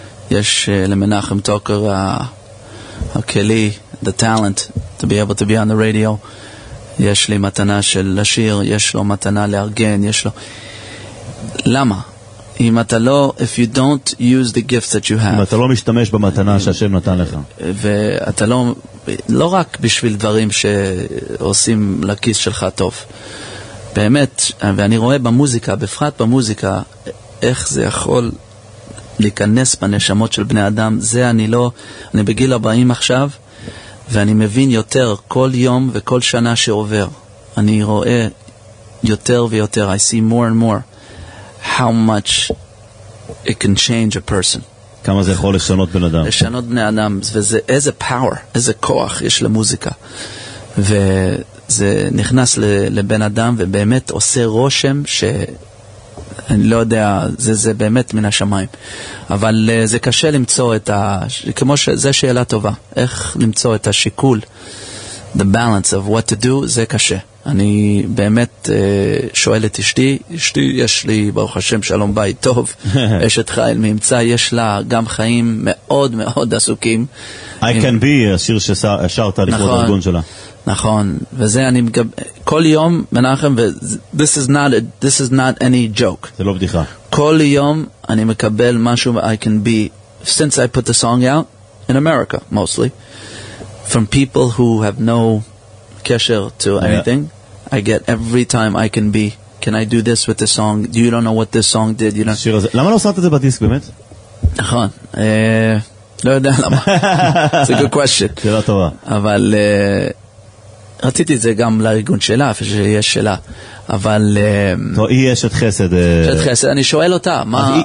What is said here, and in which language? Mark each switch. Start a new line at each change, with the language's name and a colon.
Hebrew: יש למנחם טוקר הכלי,
English: the talent,
Hebrew: to be able to be on the radio. יש לי מתנה של לשיר, יש לו מתנה לארגן, יש לו... למה? אם אתה לא...
English: If you don't use the gift that you have...
Hebrew: אם אתה לא משתמש במתנה שהשם נתן לך. ואתה לא... לא רק בשביל דברים שעושים לכיס שלך טוב. באמת, ואני רואה במוזיקה, בפרט במוזיקה, איך זה יכול להיכנס בנשמות של בני אדם, זה אני לא... אני בגיל 40 עכשיו... ואני מבין יותר כל יום וכל שנה שעובר. אני רואה יותר ויותר,
English: I see more and more how much it can change a person.
Hebrew: כמה זה יכול לשנות בן אדם. לשנות בני אדם, וזה איזה power, איזה כוח יש למוזיקה. וזה נכנס לבן אדם ובאמת עושה רושם ש... אני לא יודע, זה באמת מן השמיים. אבל זה קשה למצוא את ה... כמו שזה שאלה טובה, איך למצוא את השיקול,
English: the balance of what to do,
Hebrew: זה קשה. אני באמת שואל את אשתי, יש לי ברוך השם שלום בית טוב, אשת חייל מימצא, יש לה גם חיים מאוד מאוד עסוקים.
English: I can be,
Hebrew: השיר ששרת לכבוד הארגון שלה. נכון, וזה אני מגב... כל יום,
English: מנחם, this is not a, this is not any joke.
Hebrew: זה לא בדיחה. כל יום אני מקבל משהו,
English: I can be, since I put the song out, in America, mostly, from people who have no קשר to anything, I get every time I can be, can I do this with the song, you don't know what this song did, you don't...
Hebrew: שיר הזה, למה לא שרת את זה בדיסק באמת? נכון, לא יודע למה.
English: It's a good question.
Hebrew: שאלה טובה. אבל... רציתי את זה גם לארגון שלה, אף שיש שלה, אבל... טוב, היא אשת חסד. אשת חסד, אני שואל אותה, מה...